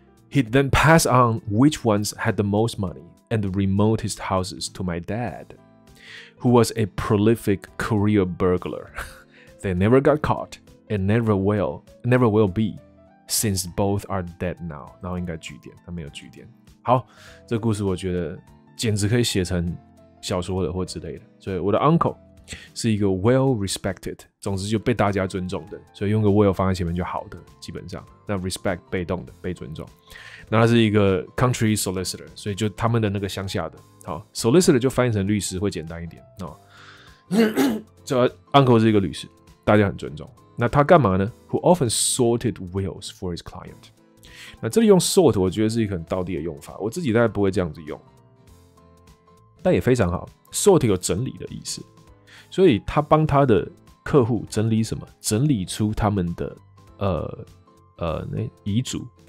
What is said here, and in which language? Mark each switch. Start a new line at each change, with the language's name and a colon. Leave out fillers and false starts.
English: He'd then pass on which ones had the most money and the remotest houses to my dad, who was a prolific career burglar. They never got caught and never will be, since both are dead now.
Chinese: 然后应该句点，他没有句点。好，这故事我觉得简直可以写成小说的或之类的。所以我的 uncle 是一个
English: well respected，
Chinese: 总之就被大家尊重的，所以用个 well 放在前面就好的，基本上。那 respect 被动的，被尊重。那他是一个
English: country solicitor，
Chinese: 所以就他们的那个乡下的。好 ，solicitor 就翻译成律师会简单一点哦。这uncle 是一个律师，大家很尊重。那他干嘛呢
English: ？Who often sorted wills for his client？
Chinese: 那这里用 sort， 我觉得是一个很道地的用法，我自己大概不会这样子用，但也非常好。 sort 有整理的意思，所以他帮他的客户整理什么？整理出他们的遗嘱。